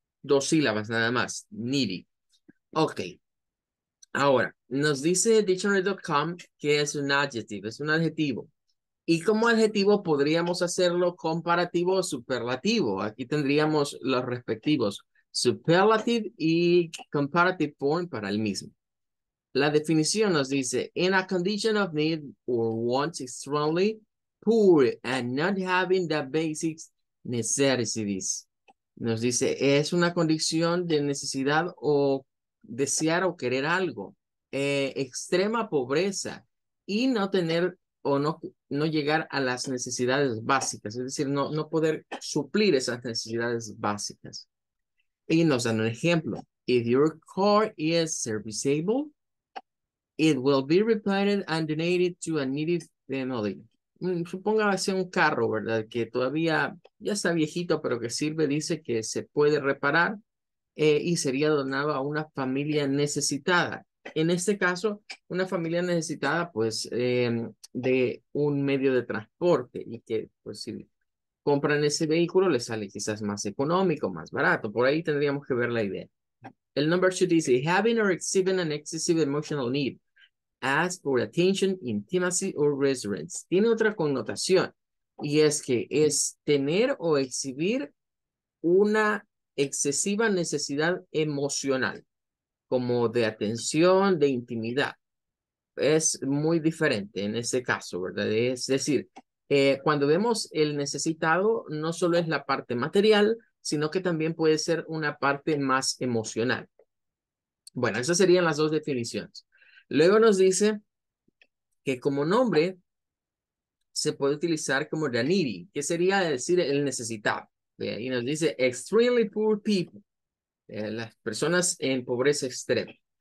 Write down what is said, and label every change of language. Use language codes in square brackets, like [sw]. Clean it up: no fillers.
[es] Dos sílabas nada más, needy. Ok. Ahora, nos dice dictionary.com que es un adjetivo, es un adjetivo. Y como adjetivo podríamos hacerlo comparativo o superlativo. Aquí tendríamos los respectivos superlative y comparative form para el mismo. La definición nos dice, [en] in a condition of need or want extremely poor and not having the basic necessities. [es] Nos dice, es una condición de necesidad o desear o querer algo. Extrema pobreza y no tener o no llegar a las necesidades básicas, es decir, no poder suplir esas necesidades básicas. Y nos dan un ejemplo. [en] If your car is serviceable, it will be repaired and donated to a needy family. [es] Supongamos un carro, ¿verdad? Que todavía ya está viejito, pero que sirve, dice que se puede reparar y sería donado a una familia necesitada. En este caso, una familia necesitada, pues, de un medio de transporte y que, pues, si compran ese vehículo, les sale quizás más económico, más barato. Por ahí tendríamos que ver la idea. El number two dice, [en] having or exhibiting an excessive emotional need, ask for attention, intimacy, or reverence. [es] Tiene otra connotación y es que es tener o exhibir una excesiva necesidad emocional, como de atención, de intimidad. Es muy diferente en ese caso, ¿verdad? Es decir, cuando vemos el necesitado, no solo es la parte material, sino que también puede ser una parte más emocional. Bueno, esas serían las dos definiciones. Luego nos dice que como nombre se puede utilizar como the needy, que sería decir el necesitado. Y nos dice [en] extremely poor people. [es] Las personas en pobreza extrema.